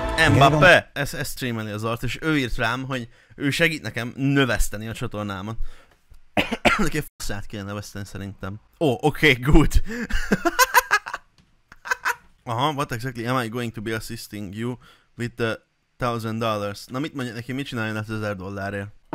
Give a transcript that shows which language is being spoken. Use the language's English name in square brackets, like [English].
[Hungarian] Mbappé, ez streameli az art, és ő írt rám, hogy ő segít nekem növeszteni a csatornámat. Neki faszát kéne növeszteni szerintem. Ó, oké, good. [English] Aha, what exactly am I going to be assisting you with the... $1,000. [Hungarian] Na mit mondja neki, mit csináljon az $1,000-ért?